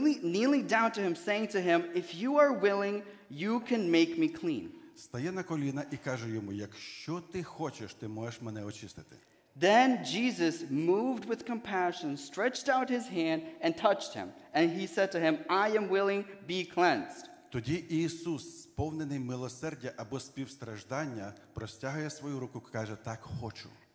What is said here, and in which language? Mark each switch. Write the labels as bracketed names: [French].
[English] Kneeling down to him, saying to him, if you are willing, you can make me clean. [Ukrainian] стає на коліна і каже йому: "Якщо ти хочеш, ти можеш мене очистити". [English] Then Jesus, moved with compassion, stretched out his hand and touched him, and he said to him, "I am willing, be cleansed". [Ukrainian] Тоді Ісус, сповнений милосердя або співстраждання, простягає свою руку і каже: "Так, хочу".